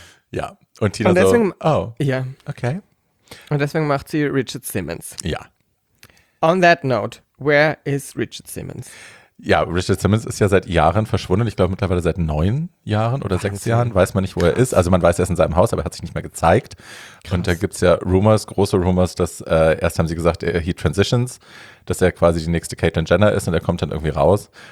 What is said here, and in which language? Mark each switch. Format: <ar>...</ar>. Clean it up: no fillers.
<de>Ja, und Tina und deswegen, so, oh, ja. Okay. Und deswegen macht sie Richard Simmons. Ja.</de> <en>On that note, where is Richard Simmons?</en> <de>Ja, Richard Simmons ist ja seit Jahren verschwunden. Ich glaube mittlerweile seit 9 Jahren oder 6 Jahren. Weiß man nicht, wo er ist. Also man weiß, er ist in seinem Haus, aber er hat sich nicht mehr gezeigt. Krass. Und da gibt es ja große Rumors, dass erst haben sie gesagt,</de> <en>he transitions,</en> <de>dass er quasi die nächste Caitlyn Jenner ist und er kommt dann irgendwie raus.</de>